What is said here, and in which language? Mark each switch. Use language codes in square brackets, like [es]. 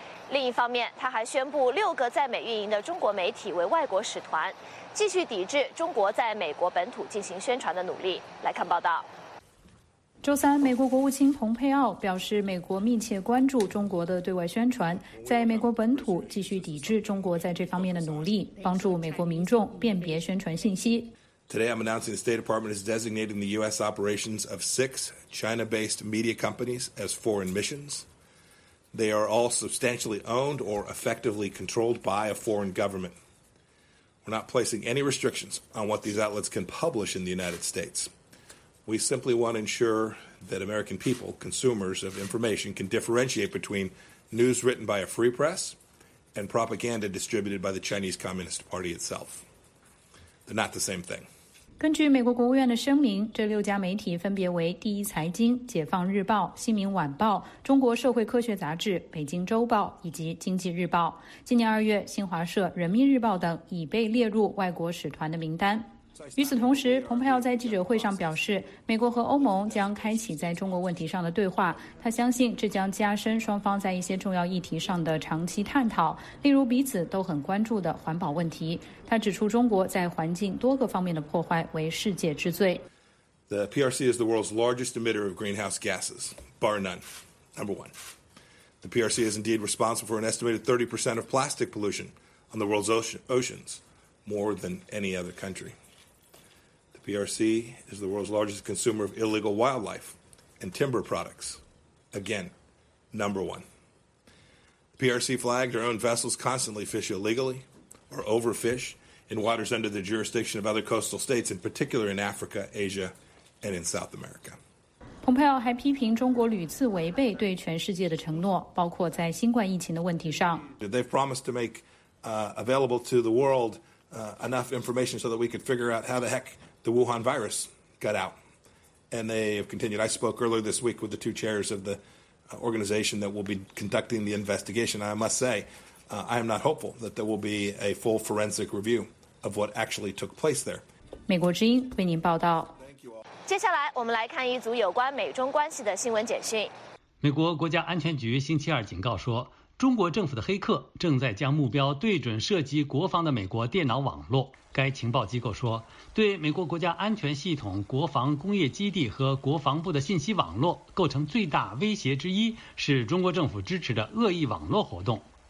[zh] 另一方面，他还宣布6个在美运营的中国媒体为外国使团，继续抵制中国在美国本土进行宣传的努力。来看报道。周三，美国国务卿蓬佩奥表示，美国密切关注中国的对外宣传，在美国本土继续抵制中国在这方面的努力，帮助美国民众辨别宣传信息。 [en] Today, I'm announcing the State Department is designating the U.S. operations of 6 China-based media companies as foreign missions. They are all substantially owned or effectively controlled by a foreign government. We're not placing any restrictions on what these outlets can publish in the United States. We simply want to ensure that American people, consumers of information, can differentiate between news written by a free press and propaganda distributed by the Chinese Communist Party itself. They're not the same thing. [zh] 根据美国国务院的声明，这6家媒体分别为第一财经、解放日报、新民晚报、中国社会科学杂志、北京周报以及经济日报。今年2月，新华社、人民日报等已被列入外国使团的名单。与此同时，蓬佩奥在记者会上表示，美国和欧盟将开启在中国问题上的对话，他相信这将加深双方在一些重要议题上的长期探讨，例如彼此都很关注的环保问题。他指出，中国在环境多个方面的破坏为世界之最。 [en] The PRC is the world's largest emitter of greenhouse gases, bar none, number one. The PRC is indeed responsible for an estimated 30% of plastic pollution on the world's oceans, more than any other country. PRC is the world's largest consumer of illegal wildlife and timber products. Again, number one. PRC flagged or owned vessels constantly fish illegally or overfish in waters under the jurisdiction of other coastal states, in particular in Africa, Asia, and in South America. [zh] 蓬佩奥还批评中国屡次违背对全世界的承诺，包括在新冠疫情的问题上。 [en] They've promised to make available to the world enough information so that we could figure out how the heck. The Wuhan virus got out, and they have continued. I spoke earlier this week with the two chairs of the organization that will be conducting the investigation. I must say, I am not hopeful that there will be a full forensic review of what actually took place there. [zh] 美国之音为您报道。接下来，我们来看一组有关美中关系的新闻简讯。美国国家安全局星期二警告说，中国政府的黑客正在将目标对准涉及国防的美国电脑网络。该情报机构说，对美国国家安全系统、国防工业基地和国防部的信息网络构成最大威胁之一，是中国政府支持的恶意网络活动。